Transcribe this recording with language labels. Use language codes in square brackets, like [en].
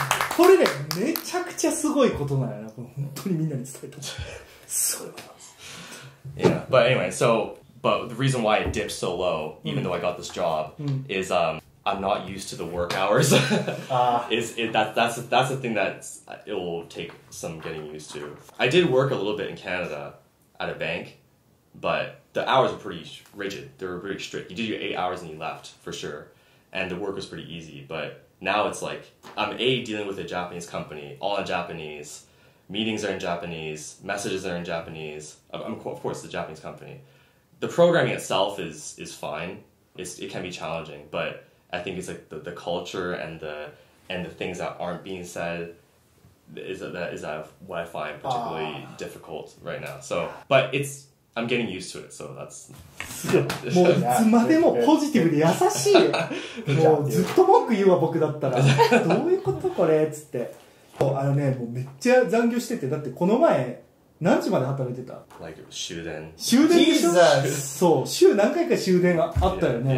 [ja] これねめちゃくちゃすごいことなんやな。本当にみんなに伝えた。すごいことです。 [en] Yeah, but anyway, so but the reason why it dipped so low, even though I got this job, is I'm not used to the work hours. that's the thing that it will take some getting used to. I did work a little bit in Canada at a bank, but the hours were pretty rigid. They were pretty strict. You did your 8 hours and you left, for sure. And the work was pretty easy. But now it's like, I'm A, dealing with a Japanese company, all in Japanese. Meetings are in Japanese. Messages are in Japanese. I'm, of course, the Japanese company. The programming itself is fine. It can be challenging, but... I think it's like the culture and the things that aren't being said is that what I find particularly difficult right now. So, but it's, I'm getting used to it, so that's... [ja] もういつまでもポジティブで優しい。もうずっと文句言うわ、僕だったら。どういうことこれ、つって。あのね、もうめっちゃ残業してて、だってこの前、何時まで働いてた like, 終電。終電でしょ、そう、週何回か終電があったよね。